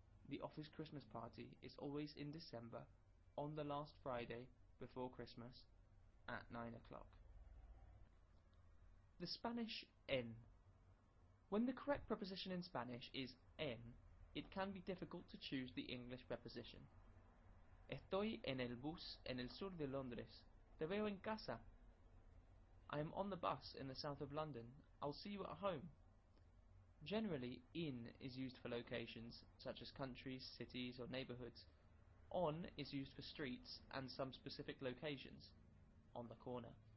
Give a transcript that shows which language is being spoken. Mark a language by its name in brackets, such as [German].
[English] The office Christmas party is always in December, on the last Friday before Christmas, at 9 o'clock. The Spanish en. When the correct preposition in Spanish is en, it can be difficult to choose the English preposition. [Spanish] Estoy en el bus en el sur de Londres. Te veo en casa. [English] I am on the bus in the south of London. I'll see you at home. Generally, in is used for locations, such as countries, cities, or neighborhoods. On is used for streets and some specific locations, on the corner.